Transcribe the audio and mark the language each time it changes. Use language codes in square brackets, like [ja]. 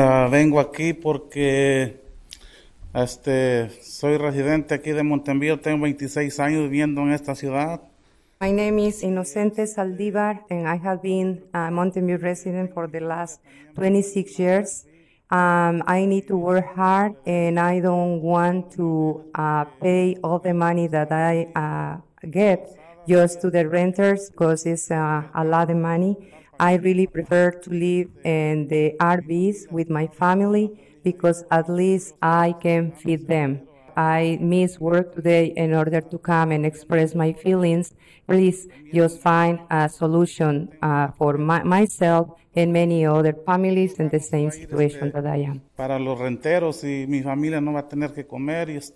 [es] Vengo aquí porque soy residente aquí de Montevideo. Tengo 26 años viviendo en esta ciudad. [en] My name is Inocente Saldívar, and I have been a Mountain View resident for the last 26 years. I need to work hard, and I don't want to pay all the money that I get just to the renters, because it's a lot of money. I really prefer to live in the RVs with my family, because at least I can feed them. I miss work today in order to come and express my feelings. Please just find a solution for myself and many other families in the same situation that I am. [es] Para los renteros y mi familia no va a tener que comer.